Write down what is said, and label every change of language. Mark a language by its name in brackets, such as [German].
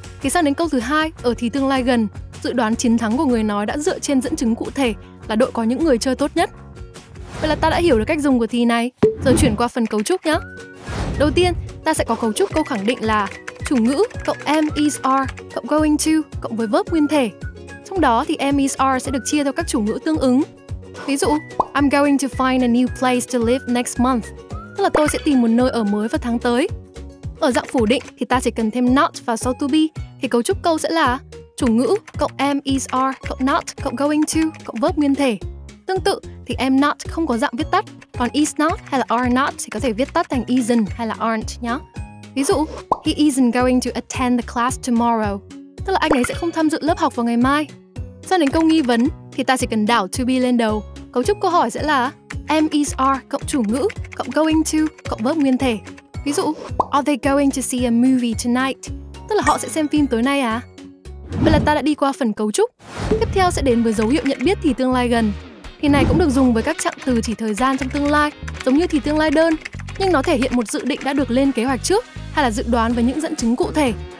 [Vietnamese] Thì sang đến câu thứ hai, ở thì tương lai gần, dự đoán chiến thắng của người nói đã dựa trên dẫn chứng cụ thể là đội có những người chơi tốt nhất. Vậy là ta đã hiểu được cách dùng của thì này, giờ chuyển qua phần cấu trúc nhé. Đầu tiên, ta sẽ có cấu trúc câu khẳng định là chủ ngữ cộng am, is, are cộng going to cộng với verb nguyên thể. Trong đó thì am, is, are sẽ được chia theo các chủ ngữ tương ứng. Ví dụ, [English] I'm going to find a new place to live next month. [Vietnamese] Tức là tôi sẽ tìm một nơi ở mới vào tháng tới. Ở dạng phủ định thì ta chỉ cần thêm not vào sau to be, thì cấu trúc câu sẽ là chủ ngữ cộng am, is, are cộng not cộng going to cộng verb nguyên thể. Tương tự thì am not không có dạng viết tắt, còn is not hay là are not thì có thể viết tắt thành isn't hay là aren't nhé. Ví dụ, [English] he isn't going to attend the class tomorrow. [Vietnamese] Tức là anh ấy sẽ không tham dự lớp học vào ngày mai. Sang đến câu nghi vấn thì ta chỉ cần đảo to be lên đầu. Cấu trúc câu hỏi sẽ là am, is, are cộng chủ ngữ cộng going to cộng verb nguyên thể. Ví dụ, [English] are they going to see a movie tonight? [Vietnamese] Tức là họ sẽ xem phim tối nay à? Vậy là ta đã đi qua phần cấu trúc. Tiếp theo sẽ đến với dấu hiệu nhận biết thì tương lai gần. Thì này cũng được dùng với các trạng từ chỉ thời gian trong tương lai, giống như thì tương lai đơn, nhưng nó thể hiện một dự định đã được lên kế hoạch trước hay là dự đoán với những dẫn chứng cụ thể.